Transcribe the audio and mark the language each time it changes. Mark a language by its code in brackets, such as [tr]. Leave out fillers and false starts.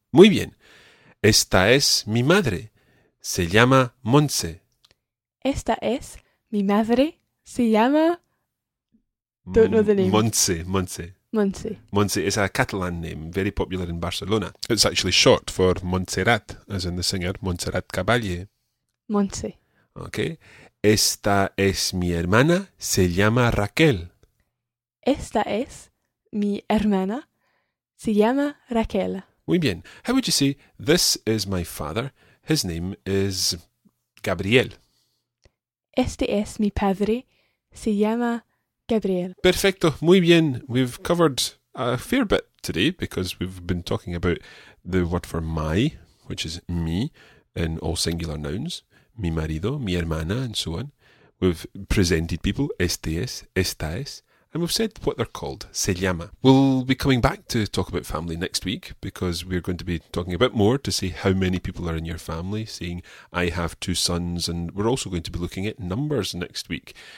[es] Muy bien. Esta es mi madre. Se llama Montse. Esta es mi madre. Se llama... [en] Don't know the name. [es] Montse, Montse. Montse. [en] Montse is a Catalan name, very popular in Barcelona. It's actually short for Montserrat, as in the singer Montserrat Caballé. Montse. Okay. [es] Esta es mi hermana, se llama Raquel. Esta es mi hermana, se llama Raquel. Muy bien. [en] How would you say, this is my father, his name is Gabriel? [es] Este es mi padre, se llama Gabriel. Perfecto. Muy bien. [en] We've covered a fair bit today because we've been talking about the word for my, which is me, in all singular nouns. [es] Mi marido, mi hermana, [en] and so on. We've presented people. [es] Este es, esta es. [en] and we've said what they're called, [es] se llama. [en] We'll be coming back to talk about family next week because we're going to be talking a bit more to see how many people are in your family, seeing I have two sons, and we're also going to be looking at numbers next week.